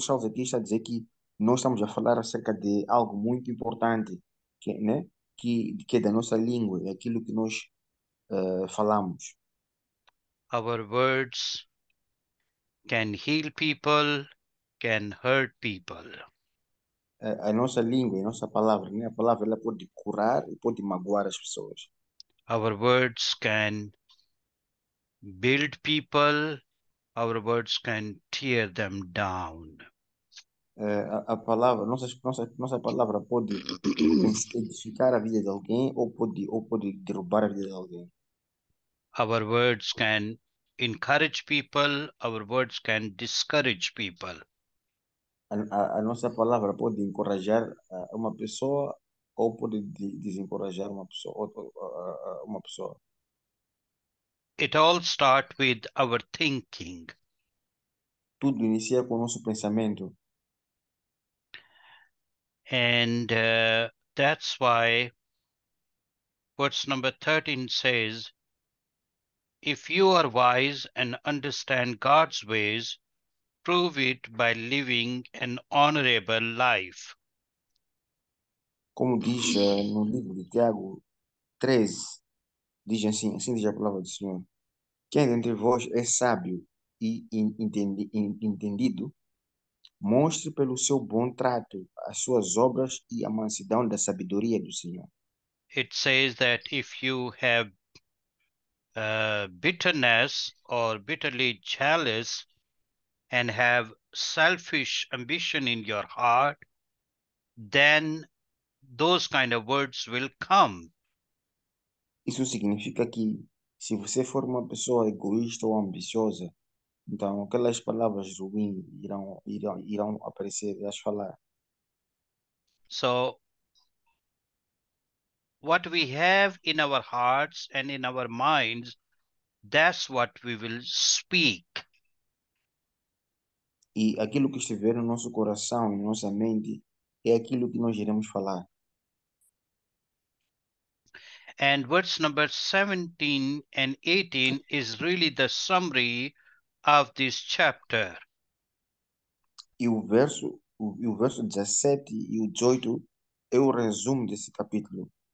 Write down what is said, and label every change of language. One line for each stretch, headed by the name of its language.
Portuguese: Charles aqui está a dizer que nós estamos a falar acerca de algo muito importante, que, né, que é da nossa língua, é aquilo que nós falamos.
English: Our words can heal people, can hurt people.
Portuguese: A nossa língua, a nossa palavra, né? A palavra ela pode curar e pode magoar as pessoas.
English: Our words can build people, our words can tear them down.
Portuguese: A palavra, nossa palavra pode edificar a vida de alguém ou pode derrubar a vida de alguém.
English: Our words can encourage people, our words can discourage people.
Portuguese: A nossa palavra pode encorajar uma pessoa ou pode desencorajar uma pessoa.
English: It all starts with our thinking.
Portuguese: Tudo inicia com o nosso pensamento.
English: And that's why verse number 13 says, if you are wise and understand God's ways, prove it by living an honorable life.
Portuguese: Como diz no livro de Tiago 13, diz assim, assim diz a palavra do Senhor: quem dentre vós é sábio e entendido, mostre pelo seu bom trato as suas obras e a mansidão da sabedoria do Senhor.
English: It says that if you have bitterness or bitterly jealous and have selfish ambition in your heart, then those kind of words will come.
Portuguese: Isso significa que se você for uma pessoa egoísta ou ambiciosa, então aquelas palavras ruins irão aparecer e as falar.
English: So, what we have in our hearts and in our minds, that's what we will speak.
Portuguese: E aquilo que estiver no nosso coração, em nossa mente, é aquilo que nós iremos falar.
English: And verse number 17 and 18 is really the summary of this chapter.
Portuguese: E o verso 17 e o 18 é o resumo desse capítulo.